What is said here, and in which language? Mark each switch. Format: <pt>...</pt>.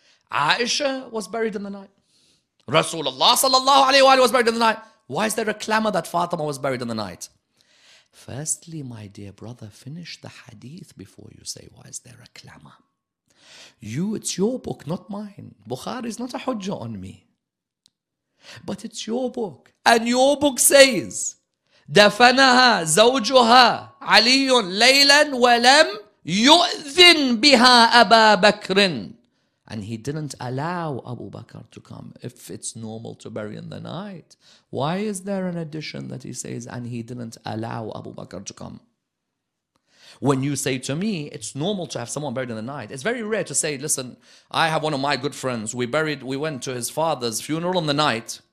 <en>Aisha was buried in the night. Rasulullah sallallahu alayhi wa alayhi was buried in the night. Why is there a clamor that Fatima was buried in the night? Firstly, my dear brother, finish the hadith before you say, why is there a clamor? You, it's your book, not mine. Bukhari is not a hujjah on me. But it's your book. And your book says,</en> <ar>دَفَنَهَا زَوْجُهَا عَلِيٌ لَيْلًا وَلَمْ يُؤْذِن بِهَا أَبَا بَكْرٍ.</ar> <en>And he didn't allow Abu Bakr to come. If it's normal to bury in the night, why is there an addition that he says, and he didn't allow Abu Bakr to come? When you say to me, it's normal to have someone buried in the night, it's very rare to say, listen, I have one of my good friends, we went to his father's funeral in the night.</en>